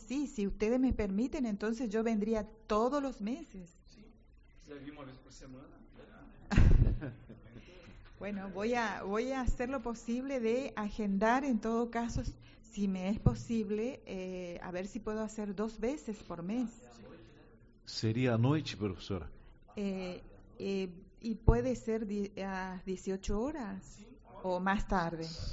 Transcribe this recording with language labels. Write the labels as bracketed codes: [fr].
[es] Sí, si ustedes me permiten, entonces yo vendría todos los meses. [pt] Sí. Se vir uma vez por semana. [es] Bueno, voy a hacer lo posible de agendar en todo caso, si me es posible, a ver si puedo hacer dos veces por mes. ¿Sería anoche, profesora? Y puede ser a 18 horas o más tarde.